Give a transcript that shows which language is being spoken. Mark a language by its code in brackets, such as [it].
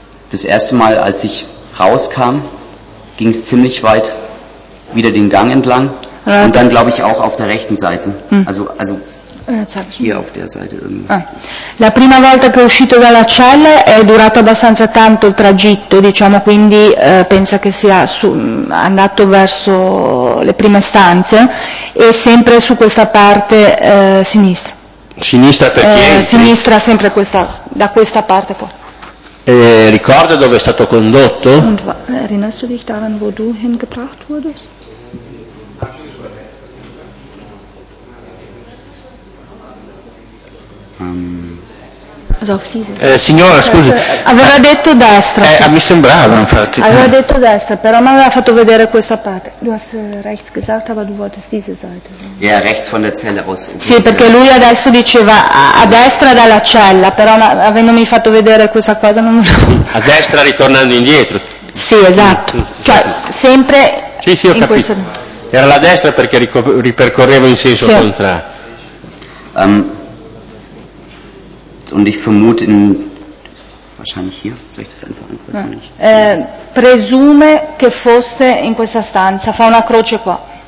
[de] Das erste Mal, als ich rauskam, ging es ziemlich weit wieder den Gang entlang und dann glaube ich auch auf der rechten Seite. Also hier auf der Seite irgendwie. [it] La prima volta che è uscito dalla cella è durato abbastanza tanto il tragitto, diciamo, quindi pensa che sia andato verso le prime stanze e sempre su questa parte sinistra. Sinistra per chi? Sinistra sempre questa, da questa parte qua. Ricorda dove è stato condotto? [de] Erinnerst du dich daran, wo du hingebracht wurdest? [it] Signora, scusi. Aveva detto destra. Mi sembrava infatti. Aveva detto destra, però mi aveva fatto vedere questa parte. [de] Du hast rechts gesagt, aber du wolltest diese Seite. Ja, rechts von der Zelle aus. [it] Sì, perché lui adesso diceva a destra dalla cella, però avendomi fatto vedere questa cosa non. A destra ritornando indietro. Sì, esatto. Cioè sempre. Sì, sì, ho capito. Questo... Era la destra perché ripercorreva in senso contrario. [de] Und ich vermute in wahrscheinlich hier, soll ich das einfach ankreuzen? [it] Presume che fosse in questa stanza, fa una croce qua.